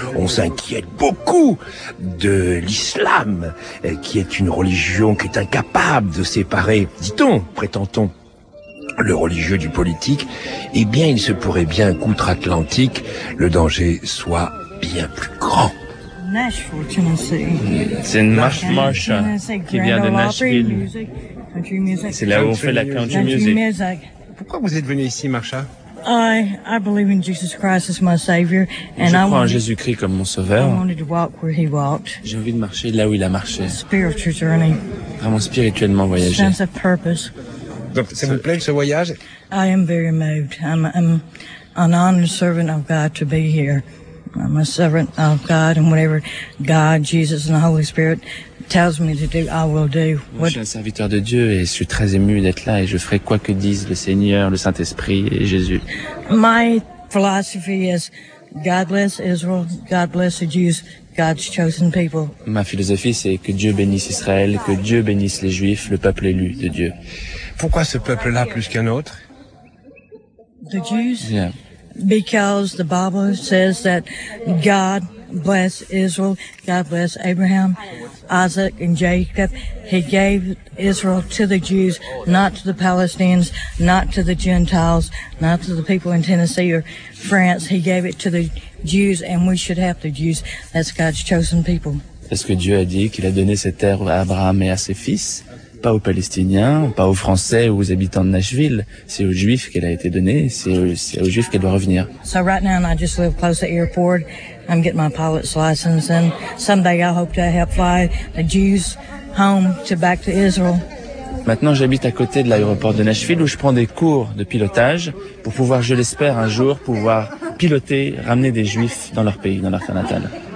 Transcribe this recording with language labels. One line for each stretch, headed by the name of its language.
French: On s'inquiète beaucoup de l'islam, qui est une religion qui est incapable de séparer, dit-on, prétend-on, le religieux du politique. Eh bien, il se pourrait bien qu'outre-Atlantique, le danger soit bien plus grand. Nashville, Tennessee. C'est une marche qui vient de Nashville. C'est là où on fait la country music. Pourquoi vous êtes venu ici, Marsha?
English: I believe in Jesus Christ as my Savior, and
French: je crois en Jésus-Christ comme mon Sauveur.
English: I wanted to walk where he walked.
French: J'ai envie de marcher là où il a marché.
English: Spiritual journey.
French: Vraiment spirituellement voyager.
English: Sense of purpose.
French: Donc, ça vous plaît, ce voyage?
English: I am very moved. I'm an honored servant of God to be here. I'm a servant of God, and whatever God, Jesus, and the Holy Spirit tells me to do, I will do.
French: Moi, je suis un serviteur de Dieu et je suis très ému d'être là et je ferai quoi que disent le Seigneur, le Saint-Esprit et Jésus.
English: My philosophy is God bless Israel, God bless the Jews, God's chosen people.
French: Ma philosophie, c'est que Dieu bénisse Israël, que Dieu bénisse les Juifs, le peuple élu de Dieu. Pourquoi ce peuple-là plus qu'un autre?
English: The Jews? Yeah. Because the Bible says that God bless Israel, God bless Abraham, Isaac, and Jacob. He gave Israel to the Jews, not to the Palestinians, not to the Gentiles, not to the people in Tennessee or France. He gave it to the Jews, and we should have the Jews. That's God's chosen people.
French: Est-ce que Dieu a dit qu'il a donné cette terre à Abraham et à ses fils? Pas aux Palestiniens, pas aux Français ou aux habitants de Nashville. C'est aux Juifs qu'elle a été donnée, c'est aux Juifs qu'elle doit revenir.
English: So right now, I just live close to the airport. I'm getting my pilot's license, and someday I hope to help fly the Jews home to back to Israel.
French: Maintenant, j'habite à côté de l'aéroport de Nashville où je prends des cours de pilotage pour pouvoir, je l'espère, un jour pouvoir piloter, ramener des Juifs dans leur pays, dans leur terre natale.